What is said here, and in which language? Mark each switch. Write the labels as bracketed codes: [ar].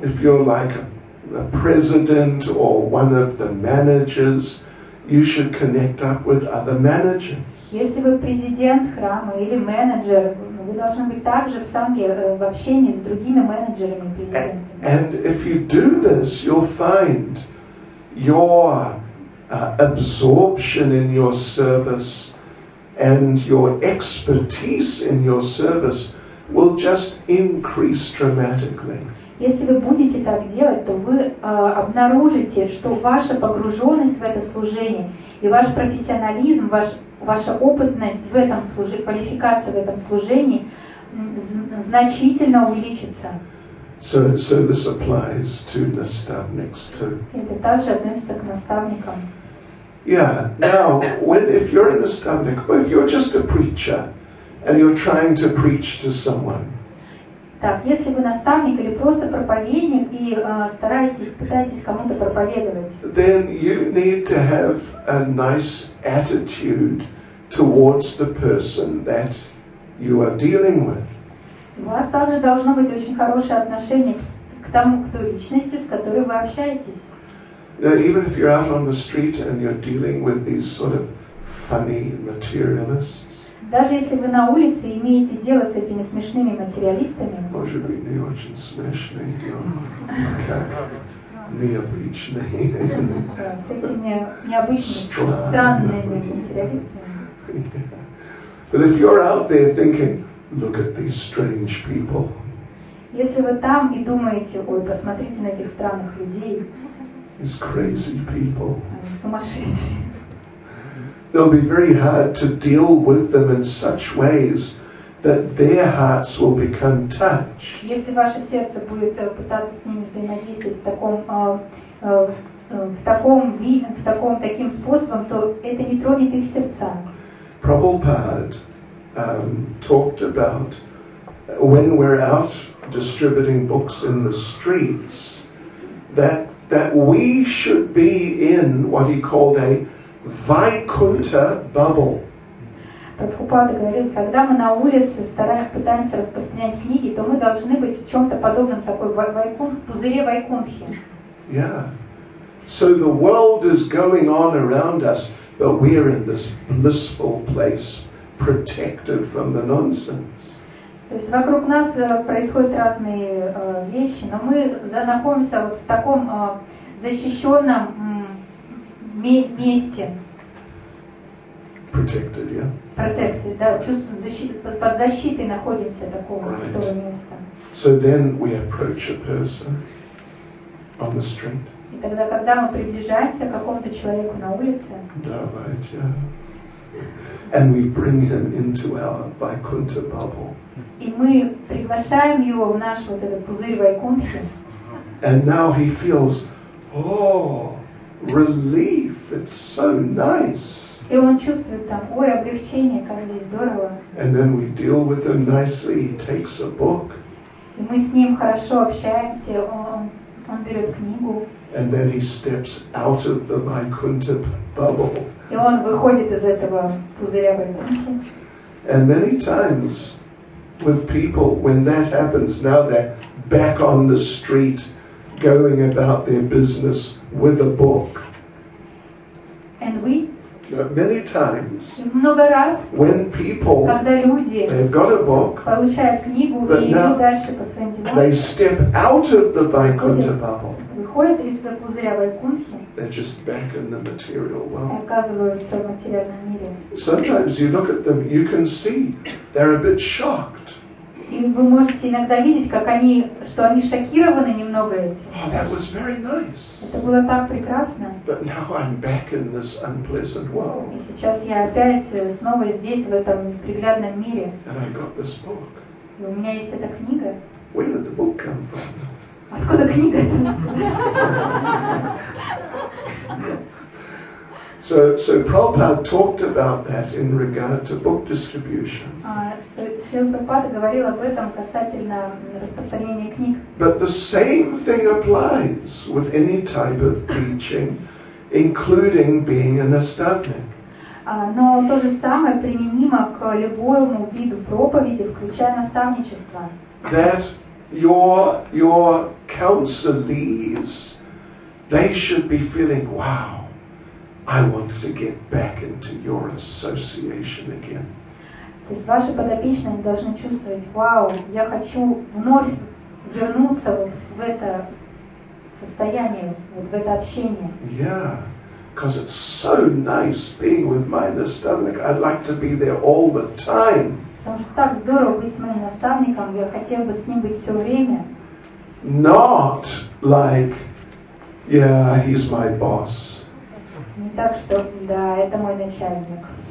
[en] If you're like a president or one of the managers, you should connect up with other managers. [ru] Если вы президент храма или менеджер, вы должны быть также в санге, в общении с другими менеджерами и президентами. [en] And if you do this, you'll find your absorption in your service and your expertise in your service will just increase dramatically. [ru] Если вы будете так делать, то вы обнаружите, что ваша погруженность в это служение и ваш профессионализм, ваша опытность в этом служении, квалификация в этом служении значительно увеличится. [en] So this applies to nastavniks too. [ru] Это также относится к наставникам. [en] Yeah, now, if you're a nastavnik, or if you're just a preacher, and you're trying to preach to someone. [ru] Так, если вы наставник или просто проповедник, и пытаетесь кому-то проповедовать. [en] Then you need to have a nice attitude towards the person that you are dealing with. [ru] У вас также должно быть очень хорошее отношение к тому, к той личности, с которой вы общаетесь. [en] Now, even if you're out on the street and you're dealing with these sort of funny materialists. [ru] Даже если вы на улице и имеете дело с этими смешными материалистами, может быть, не очень смешные, но как необычные. С этими необычными, странными материалистами. [en] But if you're out there thinking, look at these strange people. [ru] Если вы там и думаете, ой, посмотрите на этих странных людей. [en] These crazy people. [ru] Сумасшедшие. [en] It'll be very hard to deal with them in such ways that their hearts will become touched. [ru] Если ваше сердце будет пытаться с ними взаимодействовать таким способом, то это не тронет их сердца. [en] Prabhupada talked about when we're out distributing books in the streets, that we should be in what he called a Vaikunta bubble. [ru] Прабхупада говорит, когда мы на улице пытаемся распространять книги, то мы должны быть в чем-то подобном такой пузыре Вайкунтхи. [en] Yeah. So the world is going on around us, but we are in this blissful place, protected from the nonsense. [ru] То есть вокруг нас происходят разные вещи, но мы находимся вот в таком защищенном месте. [en] Protected, yeah. Protected, [ru] да, чувствуем защиту, под защитой находимся такого святого места. [en] So then we approach a person on the street. [ru] И тогда, когда мы приближаемся к какому-то человеку на улице. Давайте, yeah. [en] And we bring him into our Vaikunta bubble. [ru] И мы приглашаем его в наш вот этот пузырь Вайкунтхи. [en] And now he feels, oh, relief! It's so nice. [ru] И он чувствует там, ой, облегчение, как здесь здорово. [en] And then we deal with him nicely. He takes a book. [ru] И мы с ним хорошо общаемся. Он берет книгу. [en] And then he steps out of the Vaikunta bubble. [ru] И он выходит из этого пузыря Вайкунтхи. [en] And many times with people, when that happens, now they're back on the street, going about their business with a book. And we? Many times, [ru] много раз, [en] when people, [ru] когда люди, [en] they've got a book, [ru] получают книгу, [en] but [ru] и [en] now, [ru] дальше по своим делам, [en] they step out of the Vaikunta bubble. [ru] Выходят из пузыря Вайкунтхи. [en] They're just back in the material world. [ru] Оказываются в материальном мире. [en] Sometimes you look at them, you can see they're a bit shocked. [ru] И вы можете иногда видеть, как они, что они шокированы немного этим. [en] Oh, that was very nice. [ru] Это было так прекрасно. [en] But now I'm back in this unpleasant world. [ru] И сейчас я опять снова здесь, в этом неприглядном мире. [en] And I got this book. [ru] И у меня есть эта книга. [en] Where did the book come from? [ru] Откуда книга эта называется? [en] So Prabhupada talked about that in regard to book distribution. [ru] Шрила Прабхупада говорил об этом касательно распространения книг. [en] But the same thing applies with any type of preaching, including being an astavnik. [ru] Но то же самое применимо к любому виду проповеди, включая наставничество. [en] That your counselees, they should be feeling, wow, I want to get back into your association again. [ru] То есть ваши подопечные должны чувствовать, вау, я хочу вновь вернуться вот в это состояние, вот в это общение. [en] Yeah, because it's so nice being with my naставник. I'd like to be there all the time. [ru] Потому что так здорово быть с моим наставником, я хотел бы с ним быть все время. [en] Not like, yeah, he's my boss. [ru] Не так, что, да, это мой начальник.